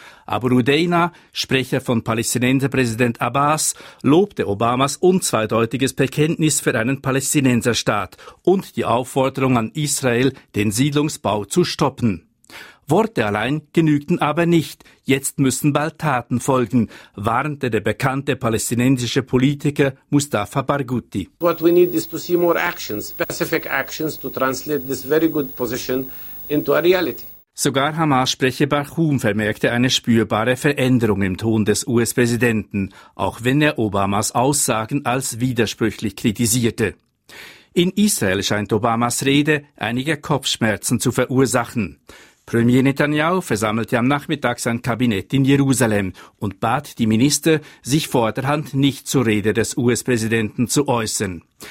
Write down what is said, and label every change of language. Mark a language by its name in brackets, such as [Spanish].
[German] Abu Rudeina, Sprecher von Palästinenserpräsident Abbas, lobte Obamas unzweideutiges Bekenntnis für einen Palästinenserstaat und die Aufforderung an Israel, den Siedlungsbau zu stoppen. Worte allein genügten aber nicht, jetzt müssen bald Taten folgen, warnte der bekannte palästinensische Politiker Mustafa Barghouti. [English] What we need is to see more actions, specific actions to translate this very good position into a reality. [German] Sogar Hamas-Sprecher Barhum vermerkte eine spürbare Veränderung im Ton des US-Präsidenten, auch wenn er Obamas Aussagen als widersprüchlich kritisierte. In Israel scheint Obamas Rede einige Kopfschmerzen zu verursachen. Premier Netanyahu versammelte am Nachmittag sein Kabinett in Jerusalem und bat die Minister, sich vorderhand nicht zur Rede des US-Präsidenten zu äußern.